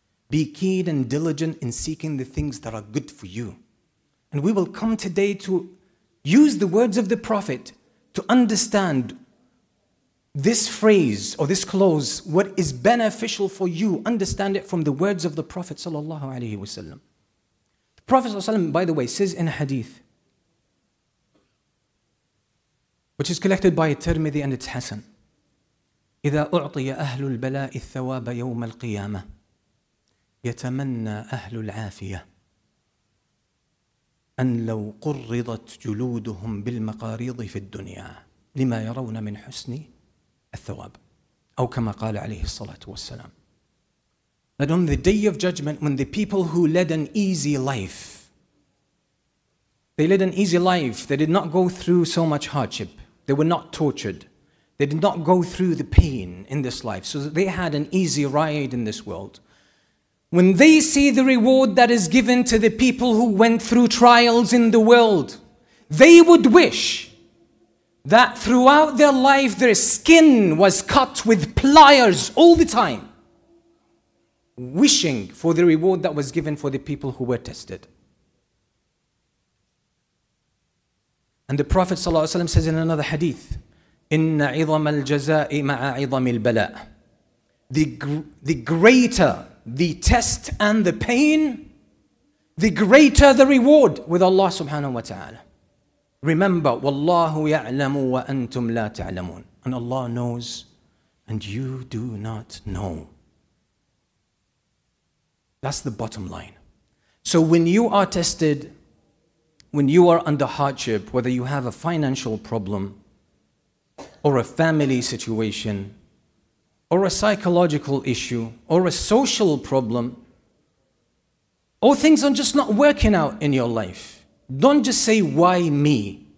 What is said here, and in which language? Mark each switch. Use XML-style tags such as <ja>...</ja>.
<en>Be keen and diligent in seeking the things that are good for you. And we will come today to use the words of the Prophet to understand this phrase or this clause, what is beneficial for you, understand it from the words of the Prophet sallallahu alaihi wasallam. The Prophet sallallahu alaihi wasallam, by the way, says in a hadith, which is collected by Tirmidhi and it's Hassan,</en> <ar>إِذَا أُعْطِيَ أَهْلُ الْبَلَاءِ الثَّوَابَ يَوْمَ الْقِيَامَةِ يَتَمَنَّى أَهْلُ الْعَافِيَةِ أَنْ لَوْ قُرِّضَتْ جُلُودُهُمْ بِالْمَقَارِيضِ فِي الدُّنْيَا لِمَا يَرَوْنَ مِنْ حُسْنِي الثواب. أو كما قال عليه الصلاة والسلام.</ar> <en>That on the day of judgment, when the people who led an easy life, they led an easy life, they did not go through so much hardship, they were not tortured, they did not go through the pain in this life, so that they had an easy ride in this world. When they see the reward that is given to the people who went through trials in the world, they would wish that throughout their life their skin was cut with pliers all the time, wishing for the reward that was given for the people who were tested. And the Prophet ﷺ says in another hadith,</en> <ar>إِنَّ عِظَمَ الْجَزَاءِ مَعَ عِظَمِ الْبَلَاءِ.</ar> <en>The greater the test and the pain, the greater the reward with Allah subhanahu wa ta'ala.</en> <ar>Remember, وَاللَّهُ يَعْلَمُ وَأَنْتُمْ لَا تَعْلَمُونَ.</ar> <en>And Allah knows, and you do not know. That's the bottom line. So when you are tested, when you are under hardship, whether you have a financial problem, or a family situation, or a psychological issue, or a social problem, or things are just not working out in your life, don't just say, why me?</en>